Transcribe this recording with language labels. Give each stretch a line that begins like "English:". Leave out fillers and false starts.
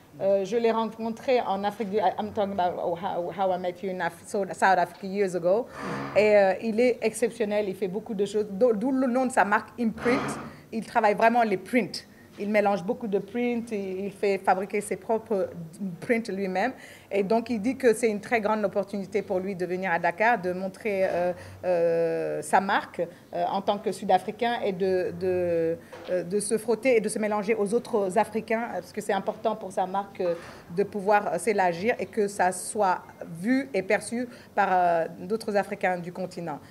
French: Je l'ai rencontré en Afrique du Sud.
English: I'm talking about how I met you in South Africa years ago.
French: Et il est exceptionnel, il fait beaucoup de choses. D'où le nom de sa marque Imprint. Il travaille vraiment les prints. Il mélange beaucoup de prints, il fait fabriquer ses propres prints lui-même. Et donc, il dit que c'est une très grande opportunité pour lui de venir à Dakar, de montrer sa marque en tant que Sud-Africain et de se frotter et de se mélanger aux autres Africains, parce que c'est important pour sa marque de pouvoir s'élargir et que ça soit vu et perçu par d'autres Africains du continent.